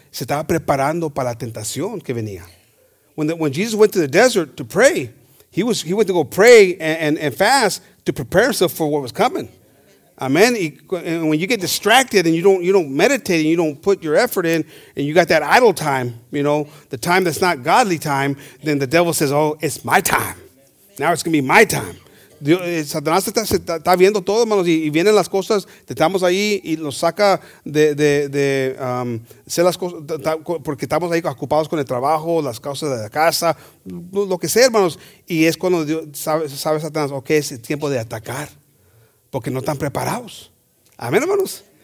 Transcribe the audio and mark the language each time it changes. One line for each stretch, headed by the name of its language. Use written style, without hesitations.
Spanish: Se estaba preparando para la tentación que venía.
English: When Jesus went to the desert to pray, He went to go pray and fast to prepare himself for what was coming. Amen. And when you get distracted and you don't meditate and you don't put your effort in and you got that idle time, you know, the time that's not godly time, then the devil says, oh, it's my time. Now it's going to be my time.
Spanish: Satanás está viendo todo, hermanos, y vienen las cosas, estamos ahí y nos saca de hacer las cosas, porque estamos ahí ocupados con el trabajo, las causas de la casa, lo que sea, hermanos. Y es cuando Dios sabe Satanás, ok, es el tiempo de atacar, porque no están preparados. Amén, hermanos.